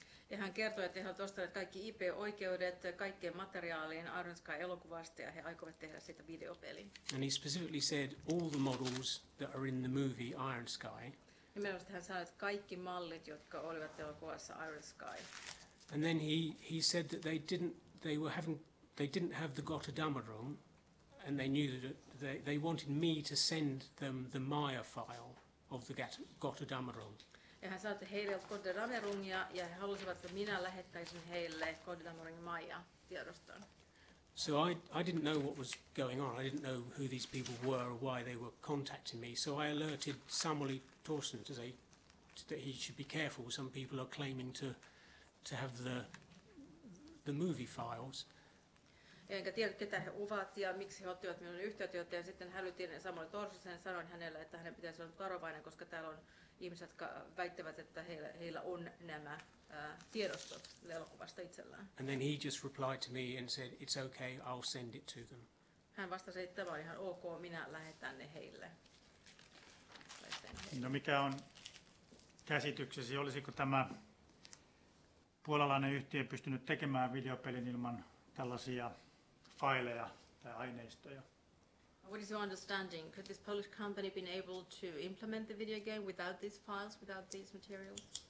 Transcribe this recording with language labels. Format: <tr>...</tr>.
<fi>Ja hän kertoi, että he ovat ostaneet kaikki IP-oikeudet kaikkeen materiaaliin Iron Sky-elokuvasta ja he aikovat tehdä siitä videopelin.</fi> <en>And he specifically said all the models that are in the movie Iron Sky.</en> <fi>Nimenomaan hän sanoi, että kaikki mallit, jotka olivat elokuvassa Iron Sky.</fi> <en>And then he said that they didn't have the Gotterdammerung, and they knew that they wanted me to send them the Maya file of the Gotterdammerung.</en> <fi>Ja hän sanoi, että heille on Gotterdammerungia ja he halusivat, että minä lähettäisin heille Gotterdammerungin Maijaa tiedostoon.</fi> <en>So I didn't know what was going on. I didn't know who these people were or why they were contacting me. So I alerted Samuli Torsen to say that he should be careful. Some people are claiming to have the movie files.</en> <fi>Enkä tiedä, ketä he ovat ja miksi he ottivat minun yhteyttä, joten sitten hälytin Samuli Torsen ja sanoin hänelle, että hänen pitäisi olla varovainen, koska täällä on ihmiset, jotka väittävät, että heillä on nämä tiedostot elokuvasta itsellään.</fi> <en>And then he just replied to me and said, it's okay, I'll send it to them.</en> <fi>Hän vastasi, että tämä on ihan ok, minä lähetän ne heille. No mikä on käsityksesi? Olisiko tämä puolalainen yhtiö pystynyt tekemään videopelin ilman tällaisia faileja tai aineistoja?</fi> <en>What is your understanding? Could this Polish company been able to implement the video game without these files, without these materials?</en>